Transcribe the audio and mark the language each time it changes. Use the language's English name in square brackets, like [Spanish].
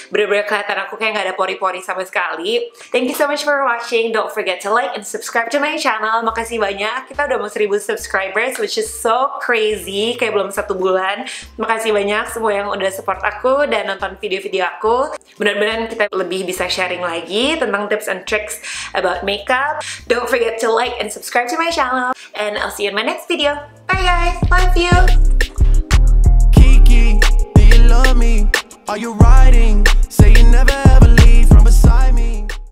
[Indonesian] Benar-benar kelihatan aku kayak nggak ada pori-pori sama sekali. [English] Thank you so much for watching. Don't forget to like and subscribe to my channel. [Indonesian] Makasih banyak. Kita udah mau [English] 1000 subscribers, which is so crazy. [Indonesian] Kayak belum 1 bulan. Makasih banyak semua yang udah support aku dan nonton video-video aku. Benar-benar kita lebih bisa sharing lagi tentang [English] tips and tricks about makeup. Don't forget to like and subscribe to my channel, and I'll see you in my next video. Bye guys, love you. Kiki, do you love me? Are you riding? Say you never ever leave from beside me.